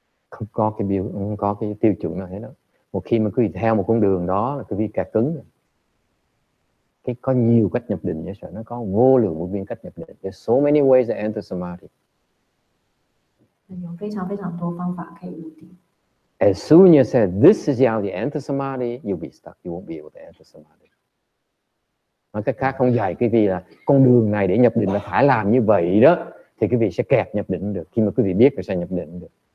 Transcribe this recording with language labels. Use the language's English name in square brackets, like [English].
[Vietnamese] không có cái tiêu chuẩn nào hết đó. Một khi mà cứ đi theo một con đường đó là cứ bị kẹt cứng. Cái có nhiều cách nhập định, sợ nó có vô lượng vô biên cách nhập định. [English] There's so many ways to enter samadhi. [Chinese] 有非常非常多方法可以入定。 [English] As soon as you say this is how you enter samadhi, you'll be stuck. You won't be able to enter samadhi. [Vietnamese] Nói cách khác không dạy quý vị là con đường này để nhập định là phải làm như vậy đó, thì quý vị sẽ kẹt nhập định được. Khi mà quý vị biết thì sẽ nhập định được.